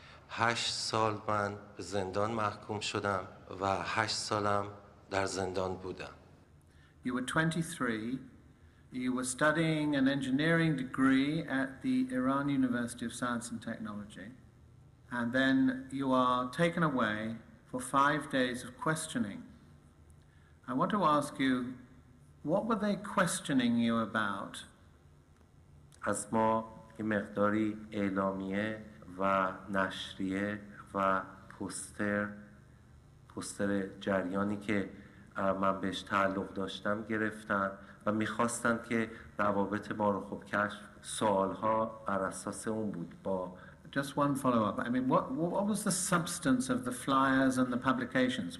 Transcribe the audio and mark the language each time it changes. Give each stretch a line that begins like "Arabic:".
Persian: 8 سال من به زندان محکوم شدم و 8 سالم در زندان بودم.
English: You were 23. You were studying an engineering degree at the Iran University of Science and Technology. And then you are taken away for 5 days of questioning. I want to ask you, what were they questioning you about?
Persian: از ما یه مقداری اعلامیه و نشریه و پوستر جریانی که من بهش تعلق داشتم گرفتن و میخواستن که روابط ما رو خوب کشف سوالها بر اساس اون بود با
English: Just one follow-up. I mean, what was the substance of the flyers and the publications?